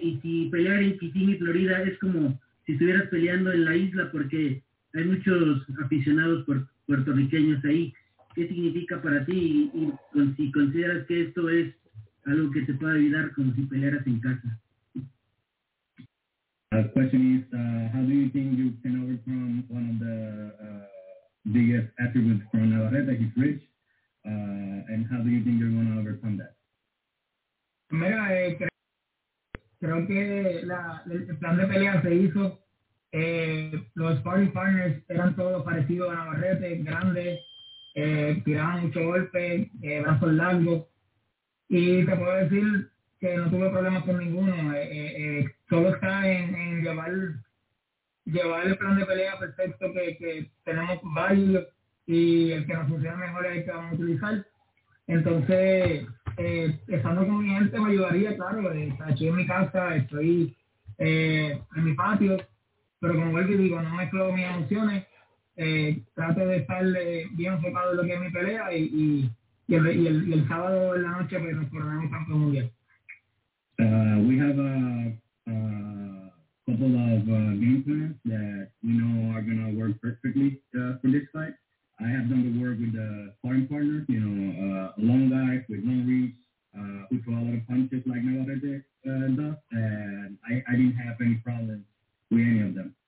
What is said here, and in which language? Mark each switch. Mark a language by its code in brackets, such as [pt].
[es] Y si pelear en Kissimmee, Florida, es como si estuvieras peleando en la isla, porque hay muchos aficionados puertorriqueños ahí. ¿Qué significa para ti? Y si consideras que esto es algo que te pueda ayudar como si pelearas en casa. [en] The question is, how do you think you can overcome one of the biggest attributes from Navarrete, his reach, and how do you think you're going to overcome that? [es] Mira, creo que el plan de pelea se hizo. Los sparring partners eran todos parecidos a Navarrete, grandes, tiraban mucho golpe, brazos largos. Y te puedo decir que no tuve problemas con ninguno. Todo está en llevar el plan de pelea perfecto que tenemos varios y el que nos funciona mejor es el que vamos a utilizar. Entonces, estando con mi gente me ayudaría, claro. Estoy en mi casa, estoy en mi patio, pero como vuelvo y digo, no mezclo mis emociones. Trato de estar bien enfocado en lo que es mi pelea y el sábado en la noche pues nos coronamos campeón mundial. [en] We have a couple of game plans that we know are going to work perfectly for this fight. I have done the work with the sparring partners, you know, long guys with long reach, who throw a lot of punches like Navarrete does, and I didn't have any problems with any of them.